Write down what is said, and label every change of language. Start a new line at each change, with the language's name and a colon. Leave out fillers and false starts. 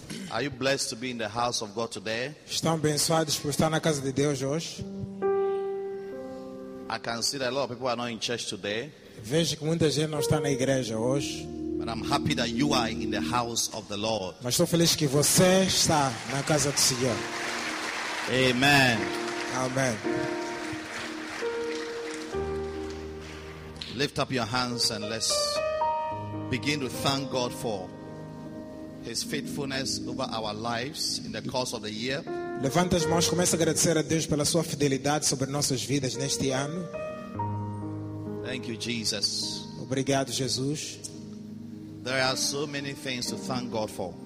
English: Are you blessed to be in the house of God today?
Portuguese: Estão abençoados por estar na casa de Deus hoje?
English: I can see that a lot of people are not in church today.
Portuguese: Vejo que muita gente não está na igreja hoje.
English: But I'm happy that you are in the house of the Lord.
Portuguese: Mas estou feliz que você está na casa do Senhor.
English: Amen. Amen. Lift up your hands and let's begin to thank God for His faithfulness over our lives in the course of the year.
Portuguese: Levanta as mãos, começa a agradecer a Deus pela sua fidelidade sobre nossas vidas neste ano.
English: Thank you, Jesus.
Portuguese: Obrigado, Jesus.
English: There are so many things to thank God for.